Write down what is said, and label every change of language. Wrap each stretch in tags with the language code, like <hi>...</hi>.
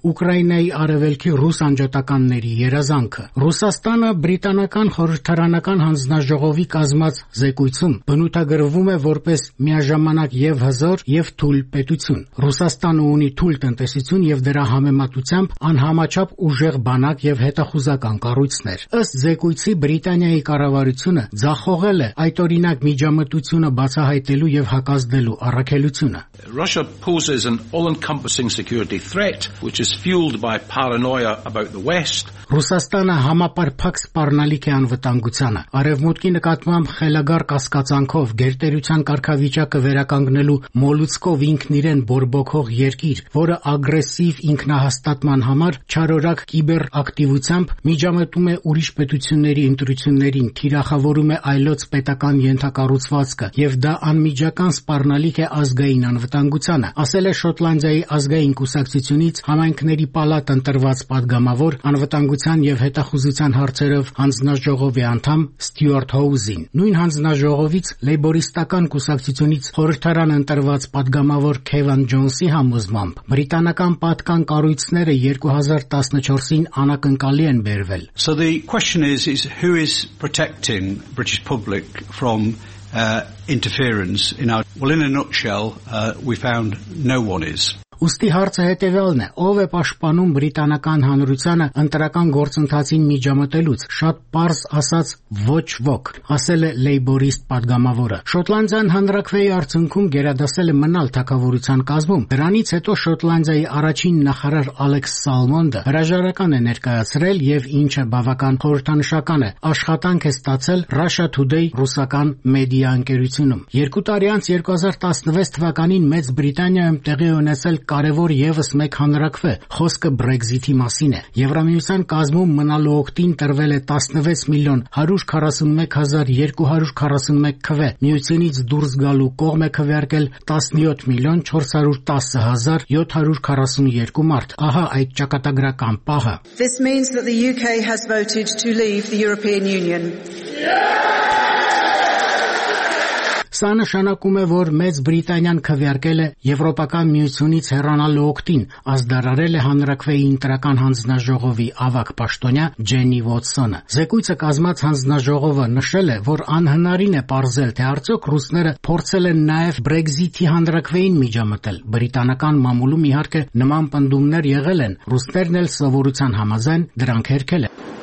<hy>Ուկրաինայի արևելքի ռուս անջատականների երազանքը։ Ռուսաստանը բրիտանական խորհրդարանական հանձնաժողովի կազմած զեկույցում բնութագրվում է որպես միաժամանակ և հզոր և թույլ պետություն։ Ռուսաստանը ունի թույլ տնտեսություն և դրա համեմատությամբ անհամաչափ ուժեղ բանակ և հետախուզական կառույցներ։ Ըստ զեկույցի, Բրիտանիայի կառավարությունը ձախողել է այդ օրինակ միջամտությունը բացահայտելու և հակազդելու առաքելությունը։</hy> <en>Russia poses an all-encompassing security threat, which is fueled by paranoia about the West.</en> <hy>Ռուսաստանը համապարփակ սպառնալիք է անվտանգությանը, արևմուտքի նկատմամբ խելագար կասկածանքով գերտերության կարգավիճակը վերականգնելու մոլուցկով ինքն իրեն բորբոքող երկիր, որը ագրեսիվ ինքնահաստատման համար չարորակ կիբերակտիվությամբ միջամտում է ուրիշ պետությունների ընտրություններին, թիրախավորում է այլոց պետական ենթակառուցվածքը, և դա անմիջական սպառնալիք է ազգային անվտանգությանը, ասել է Շոտլանդիայի ազգային կուսակցությունից համայնքների պալատը ընտրված պատգամավոր անվտանգության և հետախուզության հարցերով հանձնաժողովի անդամ Ստյուարտ Հոուզին։ Նույն հանձնաժողովից լեյբորիստական կուսակցությունից խորհրդարան ընտրված պատգամավոր Քևան Ջոնսի համոզմամբ բրիտանական պատկան կառույցները 2014-ին անակնկալի են բերվել։</hy> <en>So the question is who is protecting British public from interference in our well in a nutshell we found no one is.</en> <hy>Ուստի հարցը հետևյալն է. ով է պաշտպանում բրիտանական հանրությանը ընտրական գործընթացին միջամտելուց, շատ պարզ ասած ոչ ոք, ասել է լեյբորիստ պատգամավորը։ Շոտլանդիան հանրաքվեի արցունքում գերադասել է մնալ թակավորության կազմում, դրանից հետո Շոտլանդիայի առաջին նախարար Ալեքս Սալմոնդը հրաժարական է ներկայացրել և ինչը բավական խորհրդանշական է, աշխատանք է ստացել Russia Today ռուսական մեդիա ընկերությունում։ Երկու տարի անց 2016 թվականին Մեծ Բրիտանիայում տեղի ունեցել կարևոր եւս մեկ հանրաքվե, խոսքը Brexit-ի մասին է։ Եվրամիության կազմում մնալու օգտին տրվել է 16,141,241 քվե, միությունից դուրս գալու կողմ է քվեարկել 17,410,742 մարդ։ Ահա այդ ճակատագրական պահը։</hy> <en>This means that the UK has voted to leave the European Union.</en> <hy>Սա նշանակում է, որ Մեծ Բրիտանիան քվեարկել է Եվրոպական միությունից հեռանալու օգտին, ազդարարել է հանրաքվեի ընտրական հանձնաժողովի ավագ պաշտոնյա Ջենի Ոտսոնը։ Զեկույցը կազմած հանձնաժողովը նշել է, որ անհնարին է պարզել, թե արդյոք ռուսները փորձել են նաև Brexit-ի հանրաքվեին միջամտել։ Բրիտանական մամուլում իհարկե նման պնդումներ եղել են, ռուսներն էլ սովորության համաձայն դրանք հերքել են։</hy>